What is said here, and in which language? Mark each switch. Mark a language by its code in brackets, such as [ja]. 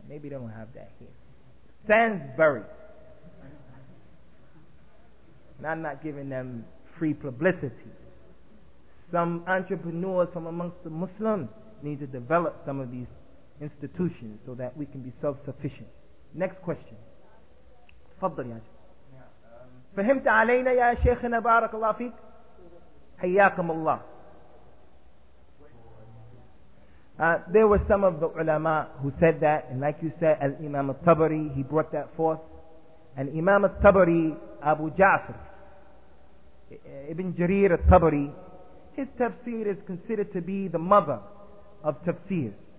[en] Maybe they don't have that here. Sainsbury. And I'm not giving them free publicity. Some entrepreneurs from amongst the Muslims need to develop some of these institutions so that we can be self-sufficient. Next question. [ar] تفضل يا شيخ. فهمت علينا يا شيخنا بارك الله فيك حياكم الله. [en] There were some of the ulama who said that, and like you said, Al-Imam al-Tabari, he brought that forth. And Imam al-Tabari, Abu Ja'far Ibn Jarir al-Tabari, his tafsir is considered to be the mother of tafsir.